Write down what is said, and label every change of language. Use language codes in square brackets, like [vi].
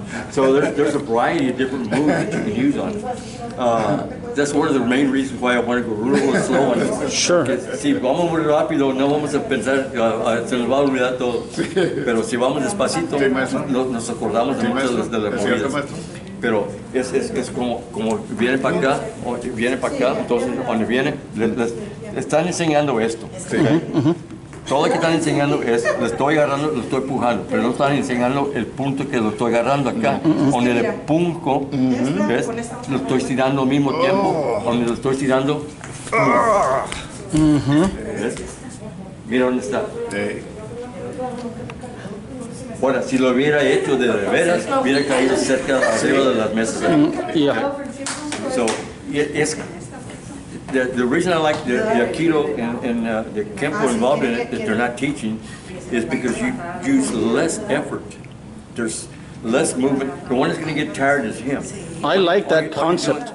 [en] So there's a variety of different moves that you can use on. That's one of the main reasons why I want to go rural and slow. And sure. [es] Si vamos muy rápido, no vamos a pensar, se nos va a olvidar todo. Pero si vamos despacito, nos acordamos de muchas de las movidas. Pero es como viene para acá, o viene para acá, entonces cuando viene, les están enseñando esto. Sí. Todo lo que están enseñando es, lo estoy agarrando, lo estoy empujando, pero no están enseñando el punto que lo estoy agarrando acá. Donde le punco, ¿ves? Lo estoy estirando al mismo tiempo, donde lo estoy estirando. ¿Ves? Mira dónde está. Ahora, si lo hubiera hecho de veras, hubiera caído cerca, arriba de las mesas. [en] Yeah. So, it's the reason I like the Aikido and the Kempo involved in it, that they're not teaching, is because you use less effort. There's less movement. The one that's going to get tired is him. I like that concept.